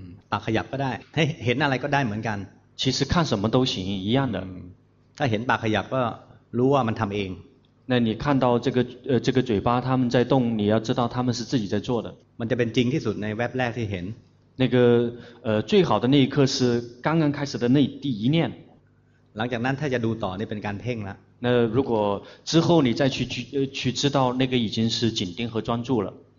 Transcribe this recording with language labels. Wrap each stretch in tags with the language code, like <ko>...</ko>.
<th>ปากขยับก็ได้เห็นอะไรก็ได้เหมือนกัน</th> <zh>其实看什么都行一样的</zh> <th>ถ้าเห็นปากขยับก็รู้ว่ามันทำเอง</th> <zh>那你看到这个嘴巴他们在动你要知道他们是自己在做的</zh> <th>มันจะเป็นจริงที่สุดในเว็บแรกที่เห็น</th> <zh>那个最好的那一刻是刚刚开始的那第一念</zh> <th>หลังจากนั้นถ้าจะดูต่อนี่เป็นการเพ่งละ</th> <zh>那如果之后你再去知道那个已经是紧盯和专注了</zh>